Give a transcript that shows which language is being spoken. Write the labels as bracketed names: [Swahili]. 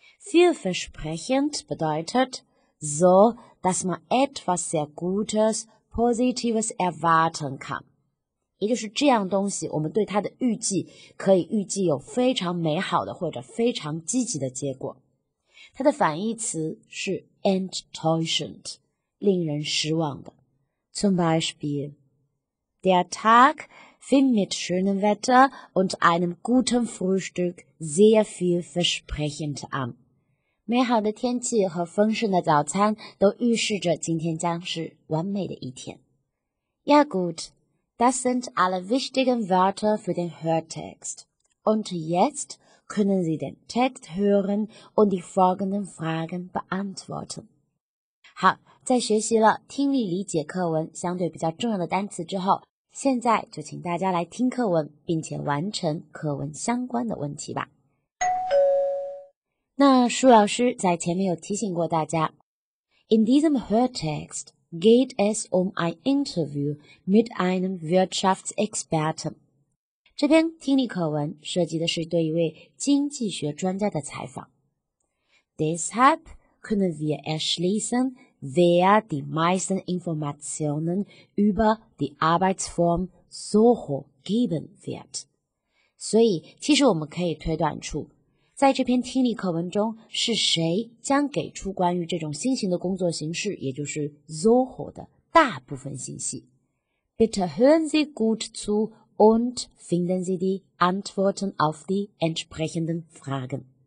[German] Vielversprechend bedeutet so, dass man etwas sehr Gutes, Positives erwarten kann， [Chinese] 也就是这样东西，我们对它的预计可以预计有非常美好的或者非常积极的结果。它的反义词是 enttäuschend， 令人失望的。 [German] Zum Beispiel, der Tag fing mit schönem Wetter und einem guten Frühstück sehr vielversprechend an。 [Chinese] 美好的天气和丰盛的早餐都预示着今天将是完美的一天。 [German] Ja gut。 Das sind alle wichtigen Wörter für den Hörtext. Und jetzt können Sie den Text hören und die folgenden Fragen beantworten. [Chinese] 好，在学习了听力理解课文相对比较重要的单词之后，现在就请大家来听课文，并且完成课文相关的问题吧。那舒老师在前面有提醒过大家 ， [German] In diesem Hörtext. Geht es um ein Interview mit einem Wirtschaftsexperten? [Chinese] 这篇听力课文涉及的是对一位经济学专家的采访。 [German] Deshalb können wir erschließen, wer die meisten Informationen über die Arbeitsform Soho geben wird. [Chinese] 所以，其实我们可以推断出，在这篇听力课文中，是谁将给出关于这种新型的工作形式，也就是 Zoho 的大部分信息。 [German] Bitte hören Sie gut zu und finden Sie die Antworten auf die entsprechenden Fragen.